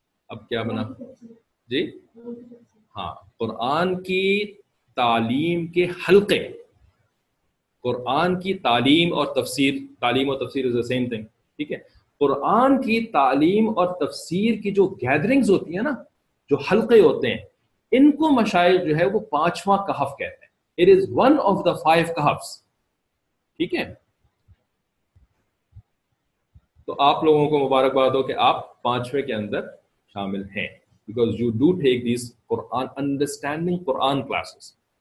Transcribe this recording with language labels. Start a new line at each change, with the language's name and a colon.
Urdu: اب کیا بنا جی؟ ہاں, قرآن کی تعلیم کے حلقے, قرآن کی تعلیم اور تفسیر, تعلیم اور تفسیر
English: Is the same thing.
Urdu: ٹھیک ہے, قرآن کی تعلیم اور تفسیر کی جو گیدرنگز ہوتی ہیں نا, جو حلقے ہوتے ہیں, ان کو مشائخ جو ہے وہ پانچواں کہف کہتے ہیں.
English: It is one of the five kahfs.
Urdu: ٹھیک ہے, تو آپ لوگوں کو مبارکباد ہو کہ آپ پانچویں کے اندر شامل ہیں,
English: because you do take these Quran understanding Quran classes.